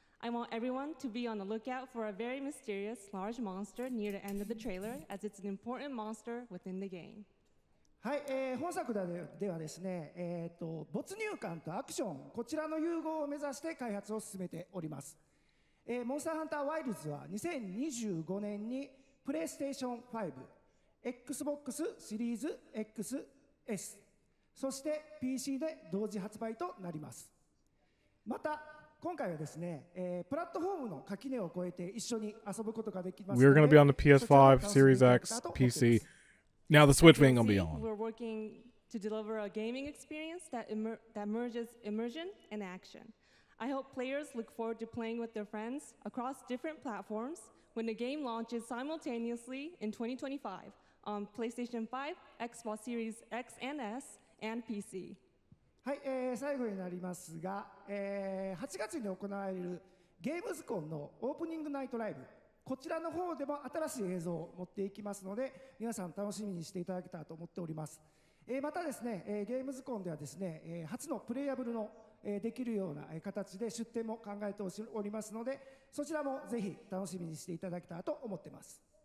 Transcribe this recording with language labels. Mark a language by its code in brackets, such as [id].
[en] I want everyone to be on the lookout for a very mysterious large monster near the end of the trailer, as it's an important monster within the game. [ja] Hi, 本作ではですね、没入感とアクション こちらの融合を目指して開発を進めております。 Monster Hunter Wilds は 2025年に PlayStation 5、 Xbox Series X、 そして PC で同時発売となります。また 今回はですね、プラットフォームの垣根を越えて一緒に遊ぶことができます。 [en] We're going to be on the PS5, Series X, PC. Now the Switch ain't going to be on. We're working to deliver a gaming experience that merges immersion and action. I hope players look forward to playing with their friends across different platforms when the game launches simultaneously in 2025 on PlayStation 5, Xbox Series X and S, and PC. [ja] はい、最後になりますが、8月に行われるゲームズコンのオープニングナイトライブ、こちらの方でも新しい映像を持っていきますので、皆さん楽しみにしていただけたらと思っております。またですね、ゲームズコンではですね、初のプレイアブルのできるような形で出展も考えておりますので、そちらもぜひ楽しみにしていただけたらと思ってます。